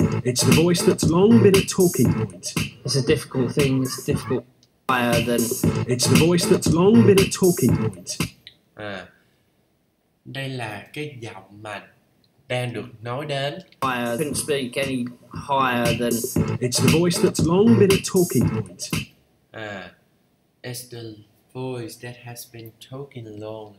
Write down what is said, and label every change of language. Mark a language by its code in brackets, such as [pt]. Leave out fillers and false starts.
[en] it's the voice that's long been a talking point. It's a difficult thing. Higher than it's the voice that's long been a talking point. [vi] Đây là cái giọng mà đang được nói đến. [en] Couldn't speak any higher than it's the voice that's long been a talking point. It's the voice that has been talking long.